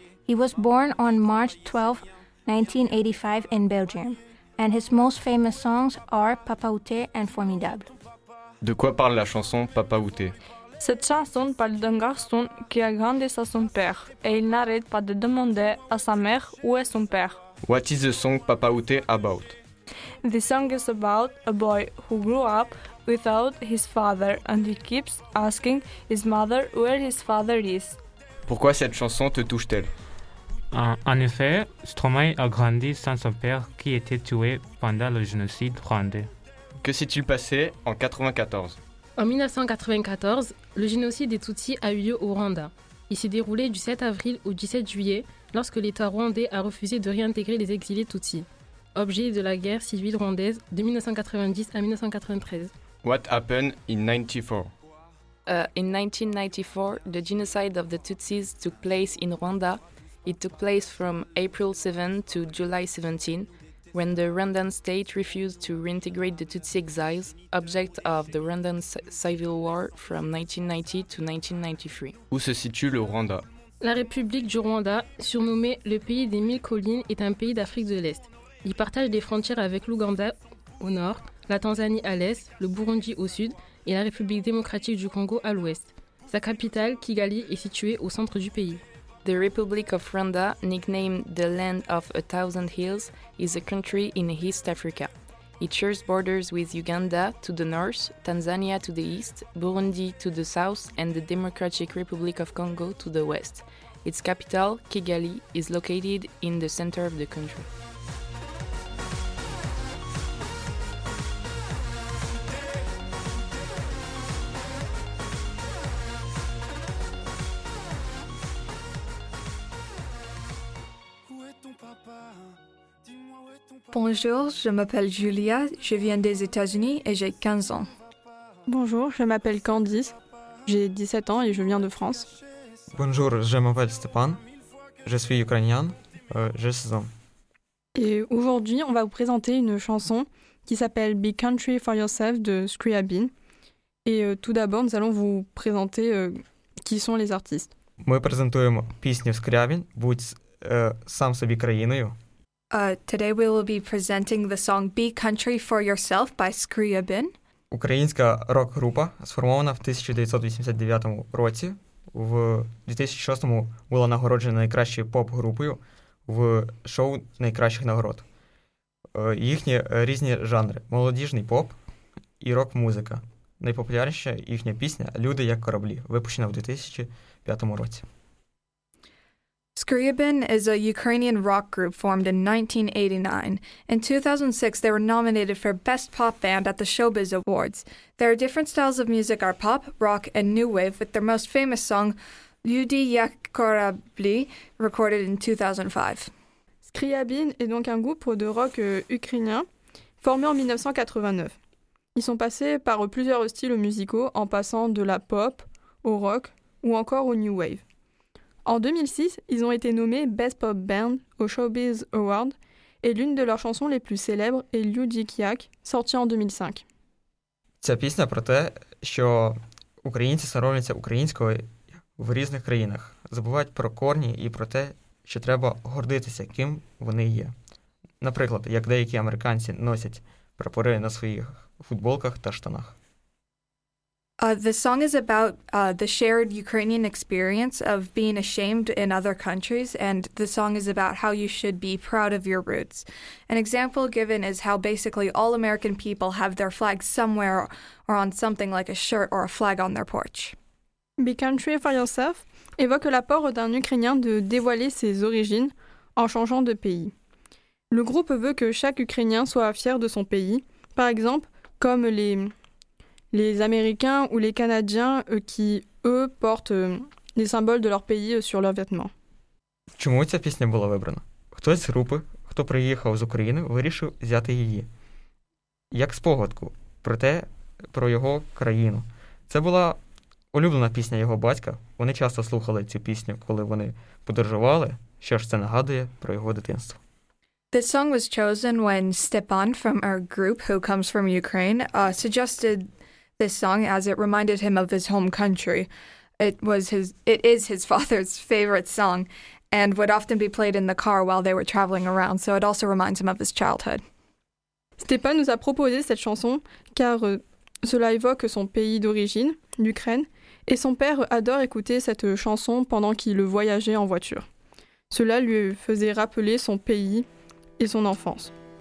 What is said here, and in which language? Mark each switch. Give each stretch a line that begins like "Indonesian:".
English: He was born on March 12, 1985 in Belgium, and his most famous songs are Papa Outé and Formidable.
French: De quoi parle la chanson Papa Outé? Cette chanson parle d'un garçon qui a grandi sans son père et il n'arrête pas de demander à sa mère où est son père.
English: What is the song Papa Outé about? The song is about a boy who grew up without his father and he keeps asking his mother where his father is.
French: Pourquoi cette chanson te touche-t-elle? En effet, Stromae a grandi sans son père qui était tué pendant le génocide rwandais. Que s'est-il passé en 1994? En 1994, le génocide des Tutsis a eu lieu au Rwanda. Il s'est déroulé du 7 avril au 17 juillet, lorsque l'État rwandais a refusé de réintégrer les exilés Tutsis, objet de la guerre civile rwandaise de 1990 à 1993.
English: What happened in 94? In 1994, the genocide of the Tutsis took place in Rwanda. It took place from April 7 to July 17, when the Rwandan state refused to reintegrate the Tutsi exiles, object of the Rwandan civil war from 1990 to 1993.
French: Où se situe le Rwanda? La République du Rwanda, surnommée le pays des mille collines, est un pays d'Afrique de l'Est. Il partage des frontières avec l'Ouganda au nord, la Tanzanie à l'est, le Burundi au sud et la République démocratique du Congo à l'ouest. Sa capitale, Kigali, est située au centre du pays.
English: The Republic of Rwanda, nicknamed the Land of a Thousand Hills, is a country in East Africa. It shares borders with Uganda to the north, Tanzania to the east, Burundi to the south, and the Democratic Republic of Congo to the west. Its capital, Kigali, is located in the center of the country.
French: Bonjour, je m'appelle Julia, je viens des États-Unis et j'ai 15 ans. Bonjour, je m'appelle Candice, j'ai 17 ans et je viens de France. Bonjour, je m'appelle Stéphane, je suis ukrainien, j'ai 16 ans. Et aujourd'hui, on va vous présenter une chanson qui s'appelle Big Country for Yourself de Scriabin. Et tout d'abord, nous allons vous présenter qui sont les artistes.
Ukrainian: Мы презентуем пісню Scriabin, будь сам собі країною.
English: Today we will be presenting the song Be Country for Yourself by Scriabin.
Ukrainian: Українська рок-група сформована в 1989 році. В 2006 була нагороджена найкращою поп-групою в шоу найкращих нагород. Їхні різні жанри – молодіжний поп і рок-музика. Найпопулярніша їхня пісня «Люди як кораблі», випущена в 2005 році.
English: Scriabin is a Ukrainian rock group formed in 1989. In 2006, they were nominated for Best Pop Band at the Showbiz Awards. Their different styles of music are pop, rock, and new wave, with their most famous song, Ljudi jak korabli, recorded in 2005.
French: Scriabin est donc un groupe de rock ukrainien formé en 1989. Ils sont passés par plusieurs styles musicaux, en passant de la pop au rock ou encore au new wave. En 2006, ils ont été nommés Best Pop Band au Showbiz Award et l'une de leurs chansons les plus célèbres est Ljudi Kiak, sortie en 2005.
Ukrainian: Ця пісня про те, що українці соромляться українською в різних країнах, забувають про корні і про те, що треба гордитися, ким вони є. Наприклад, як деякі американці носять прапори на своїх футболках та штанах.
English: The song is about the shared Ukrainian experience of being ashamed in other countries, and the song is about how you should be proud of your roots. An example given is how basically all American people have their flag somewhere or on something like a shirt or a flag on their porch.
French: Be Country for Yourself évoque l'apport d'un Ukrainien de dévoiler ses origines en changeant de pays. Le groupe veut que chaque Ukrainien soit fier de son pays. Par exemple, comme les Américains ou les Canadiens qui, eux, portent les symboles de leur pays sur leurs vêtements.
Ukrainian: Чому ця пісня була вибрана? Хтось з групи, хто приїхав з України, вирішив взяти її як спогадку про те, про його країну. Це була улюблена пісня його батька. Вони часто слухали цю пісню, коли вони подорожували, що ж це нагадує про його дитинство.
English: The song was chosen when Stepan from our group, who comes from Ukraine, suggested this song as it reminded him of his home country. It is his father's favorite song and would often be played in the car while they were traveling around, so it also reminds him of his childhood.
French: Stepan nous a proposé cette chanson car cela évoque son pays d'origine, l'Ukraine, et son père adore écouter cette chanson pendant qu'il voyageait en voiture. Cela lui faisait rappeler son pays et son enfance.